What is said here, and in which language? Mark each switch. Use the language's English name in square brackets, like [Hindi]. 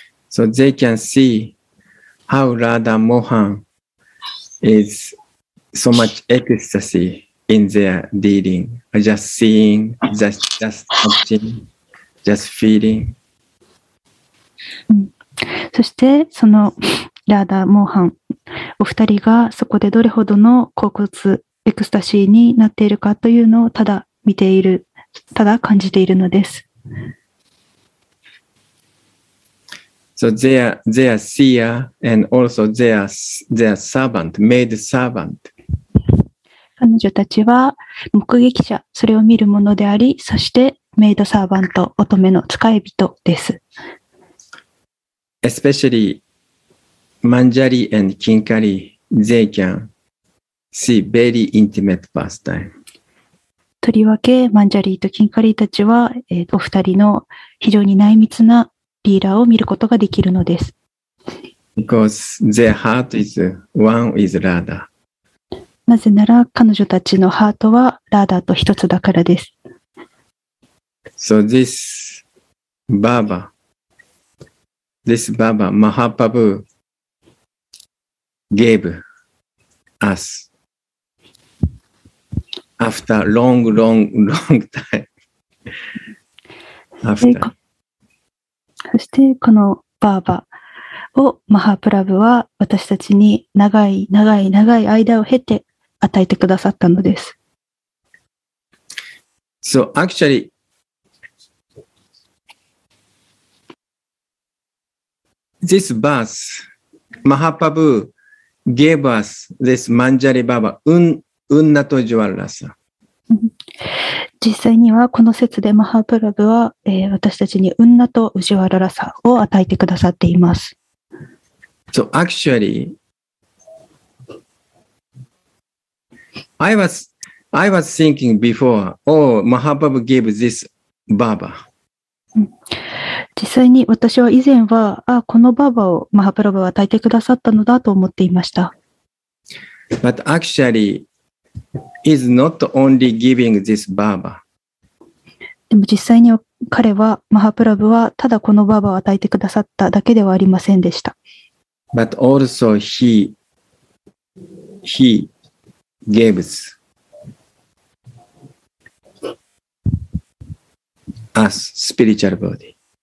[English] So they can see how Radha Mohan is so much ecstasy. in their dealing, just seeing, just touching, just feeling. [Japanese] そしてそのラーダ・モーハン、お二人がそこでどれほどの恍惚、エクスタシーになっているかというのをただ見ている、ただ感じているのです。 [English] So their seer and also their servant, maid servant. [Japanese] 彼女たちは目撃者、それを見るものであり、そしてメイドサーバント、乙女の使い人です。 [English] Especially Manjari and Kinkari, they can see very intimate pastime. [Japanese] とりわけ、マンジャリーとキンカリーたちは、お二人の非常に内密なリーラーを見ることができるのです。 [English] Because their heart is one with Radha. [Japanese] なぜなら彼女たちのハートはラーダと一つだからです。 [English] So this Baba. This Baba Mahaprabhu gave us after long, long, long time. [Japanese] そしてこのバーバをマハプラブは私たちに長い長い長い間を経て与えてくださったのです。 [English] So actually,This verse, Mahaprabhu gave us this Manjari Baba, Unnato Jwalasa. [Japanese] 実際にはこの説でマハプラブは、私たちにウンナとウジワララサを与えてくださっています。 [English] So actually, I was thinking before, oh, Mahaprabhu gave this Baba. [Japanese] 実際に私は以前は、ああこのバーバをマハプラブは与えてくださったのだと思っていました。 [English] But actually, is not only giving this Baba. [Japanese] でも実際に彼はマハプラブはただこのバーバを与えてくださっただけではありませんでした。 [English] But also he gave us spiritual body.